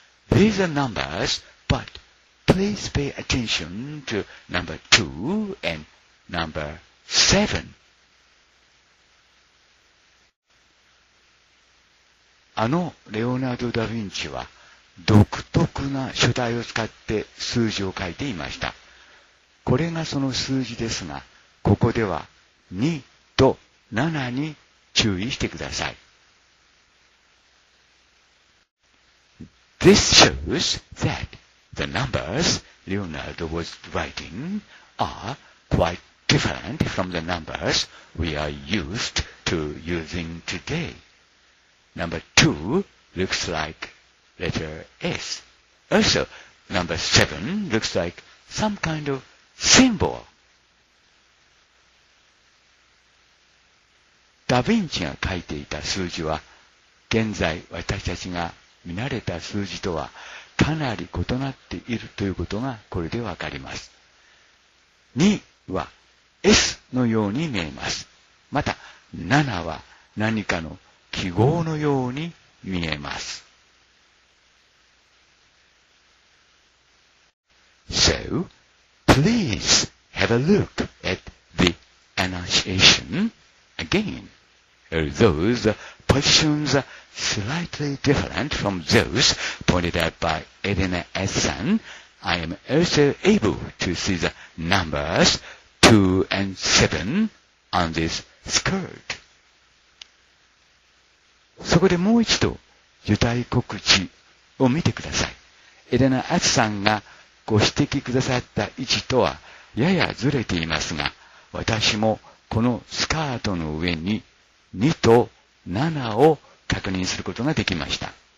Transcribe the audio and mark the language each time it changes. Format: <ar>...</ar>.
<en>These are numbers, but please pay attention to number 2 and number 7.</en> <ja>あのレオナルド・ダ・ヴィンチは独特な書体を使って数字を書いていました。これがその数字ですが、ここでは2と7に注意してください。</ja> <en>This shows that the numbers Leonardo was writing are quite different from the numbers we are used to using today. Number 2 looks like letter S. Also, number 7 looks like some kind of symbol.</en> <ja>ダ・ヴィンチが書いていた数字は、現在私たちが見慣れた数字とはかなり異なっているということがこれでわかります。 2は S のように見えます。また7は何かの記号のように見えます。</ja> <en>So please have a look at the annunciation again. Although the positions areslightly different from those pointed out by Elena Essen, I am also able to see the numbers 2 and 7 on this skirt.</en> <ja>そこでもう一度、受胎告知を見てください。 Elena Essenがご指摘くださった位置とはややずれていますが、私もこのスカートの上に2と7を確認することができました。</ja>